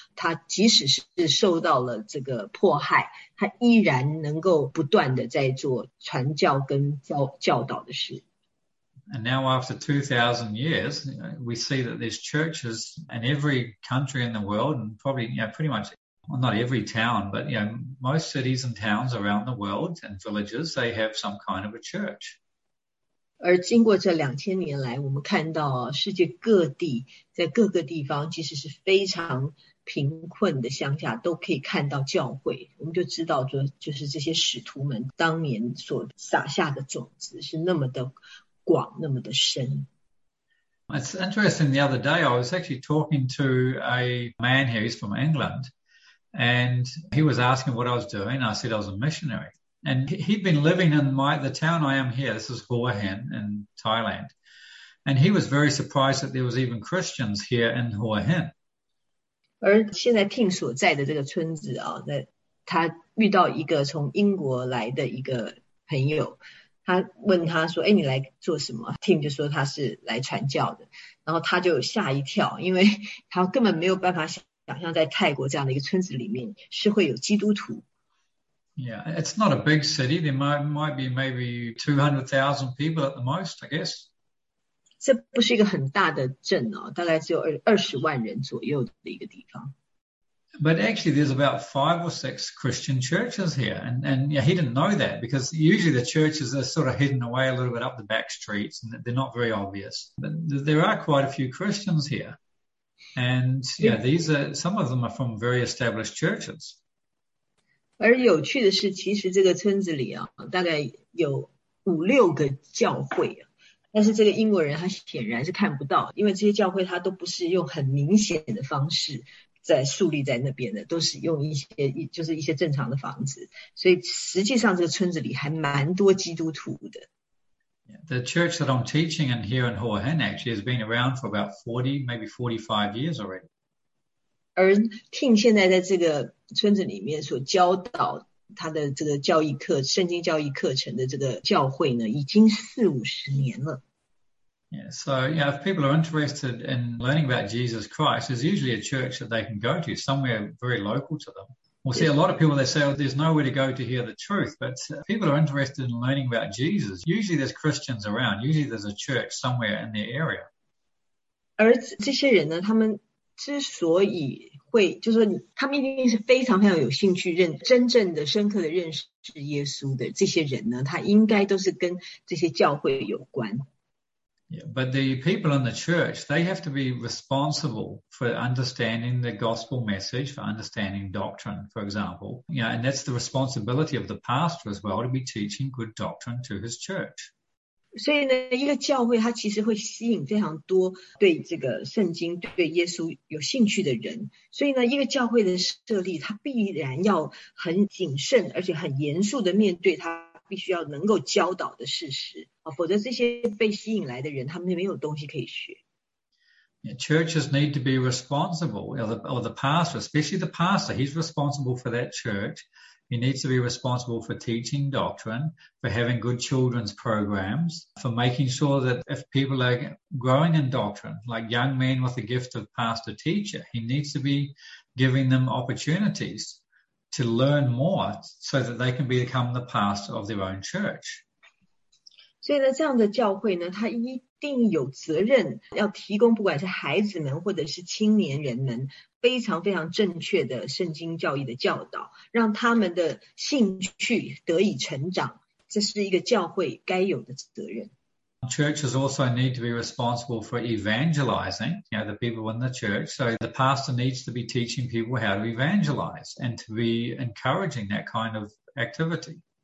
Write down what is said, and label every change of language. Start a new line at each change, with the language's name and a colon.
Chinese: 他即使是受到了这个迫害，他依然能够不断的在做传教跟教导的事。
English: And now after 2,000 years, we see that there's churches in every country in the world, and probably, you know, pretty much well, not every town, but you know, most cities and towns around the world and villages, they have some kind of a church.
Chinese: 而经过这2000年来，我们看到世界各地，在各个地方，即使是非常贫困的乡下，都可以看到教会。我们就知道说，就是这些使徒们当年所撒下的种子是那么的广，那么的深。
English: It's interesting, the other day I was actually talking to a man here, he's from England, and he was asking what I was doing. I said I was a missionary. And he'd been living in the town I am here. This is Hua Hin in Thailand. And he was very surprised that there was even Christians here in Hua Hin.
Chinese: 而现在 Tim 所在的这个村子啊，那他遇到一个从英国来的一个朋友，他问他说，哎，你来做什么？ Tim 就说他是来传教的。然后他就吓一跳，因为他根本没有办法想象在泰国这样的一个村子里面是会有基督徒。
English: Yeah, it's not a big city. There might be maybe 200,000 people at the most, I guess.
Chinese: 这不是一个很大的镇哦，大概只有20万人左右的一个地方。
English: But actually, there's about 5 or 6 Christian churches here, and yeah, he didn't know that because usually the churches are sort of hidden away a little bit up the back streets, and they're not very obvious. But there are quite a few Christians here. And yeah, these are some of them are from very established churches.
Chinese: 而有趣的是，其实这个村子里啊，大概有5-6个教会啊。但是这个英国人他显然是看不到，因为这些教会他都不是用很明显的方式在树立在那边的，都是用一些正常的房子。所以实际上这个村子里还蛮多基督徒的。
English: The church that I'm teaching in here in Hua Hin actually has been around for about 40, maybe 45 years already.
Chinese: 而 Tim 现在在这个村子里面所教导他的这个教义课，圣经教义课程的这个教会呢，已经40-50年了。
English: Yeah, so yeah, if people are interested in learning about Jesus Christ, there's usually a church that they can go to somewhere very local to them. We'll see a lot of people, they say, oh, there's nowhere to go to hear the truth. But people are interested in learning about Jesus. Usually there's Christians around. Usually there's a church somewhere in their area.
Chinese: 而这些人呢，他们之所以会，就是说他们一定是非常非常有兴趣真正的深刻的认识耶稣的这些人呢，他应该都是跟这些教会有关。
English: Yeah, but the people in the church, they have to be responsible for understanding the gospel message, for understanding doctrine, for example. Yeah, and that's the responsibility of the pastor as well, to be teaching good doctrine to his church.
Chinese: 所以呢，一个教会它其实会吸引非常多对这个圣经、对耶稣有兴趣的人。所以呢，一个教会的设立，它必然要很谨慎，而且很严肃的面对它必须要能够教导的事实，否则这些被吸引来的人，他们没有东西可以学。
English: Yeah, churches need to be responsible, or the pastor, especially the pastor, he's responsible for that church. He needs to be responsible for teaching doctrine, for having good children's programs, for making sure that if people are growing in doctrine, like young men with the gift of pastor teacher, he needs to be giving them opportunities to learn more so that they can become the pastor of their own church.
Chinese: 所以呢，这样的教会呢，他一定有责任要提供，不管是孩子们或者是青年人们，非常非常正确的圣经教义的教导，让他们的兴趣得以成长，这是一个教会该有的责任。
English: Churches also need to be responsible for evangelizing, you know, the people in the church. So the pastor needs to be teaching people how to evangelize and to be encouraging that kind of activity.